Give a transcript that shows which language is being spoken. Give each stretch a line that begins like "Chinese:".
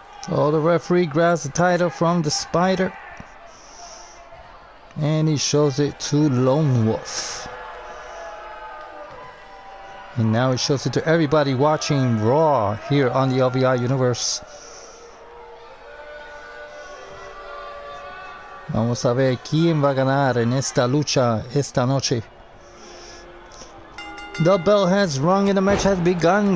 English: Oh, the referee grabs the title from the Spider, and he shows it to Lone Wolf. And now it shows it to everybody watching Raw here on the LVI Universe.
Spanish: Vamos a ver quién va a ganar en esta lucha esta noche.
English: The bell has rung and the match has begun.